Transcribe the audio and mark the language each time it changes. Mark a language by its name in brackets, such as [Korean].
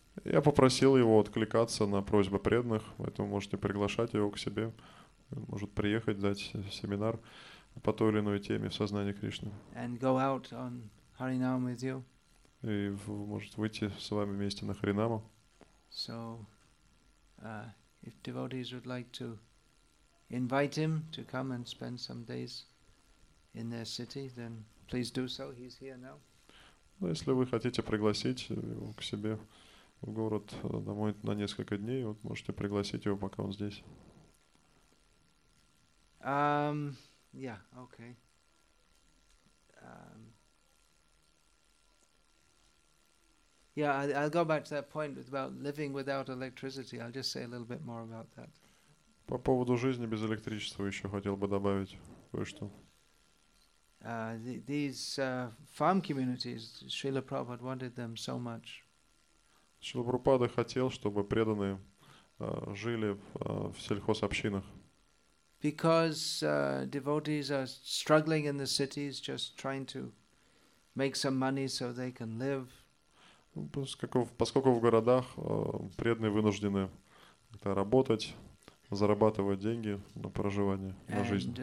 [Russian] Я попросил его откликаться на просьбы преданных, поэтому можете приглашать его к себе. Он может приехать, дать семинар по той или иной теме в сознании Кришны. [English] And go out on Harinam with you. [Russian] И может выйти с вами вместе на Харинаму. [English] So, if devotees would like to invite him to come and spend some days in their city, then please do so. He's here now. [Russian] Ну, если вы хотите пригласить его к себе в город домой на несколько дней, вот можете пригласить его, пока он здесь. [English] Yeah. Okay. Yeah, I'll go back to that point about living without electricity. I'll just say a little bit more about that. [Russian] По поводу жизни без электричества еще хотел бы добавить кое-что. [English] These farm communities, Srila Prabhupada wanted them so much. [Russian] Srila Prabhupada хотел, чтобы преданные жили в сельхозобщинах. [English] Because devotees are struggling in the cities, just trying to make some money so they can live. [Russian] Поскольку в городах преданные вынуждены работать, зарабатывать деньги на проживание, на жизнь.